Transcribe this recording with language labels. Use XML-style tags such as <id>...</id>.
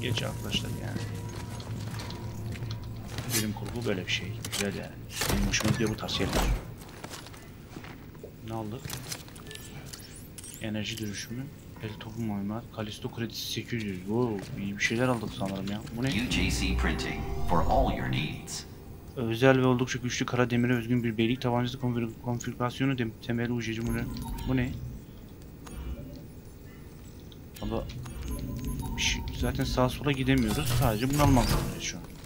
<tr>Geç arkadaşlar yani. Bilim kurgu böyle bir şey. Güzel yani. Benim hoşuma gidiyor bu tarz yerler. Ne aldık? Enerji dönüşümü. El topu mühimmat. Kalisto kredisi 800. Wow, iyi bir şeyler aldık sanırım ya. Bu ne?</tr> <en>UGC printing for all your needs.</en> <tr>Özel ve oldukça güçlü kara demire özgün bir beylik tabancası konfigürasyonu temeli UGC. Bu ne? Ama zaten sağa sola gidemiyoruz. Sadece bunu almak zorundayız şu an.</tr>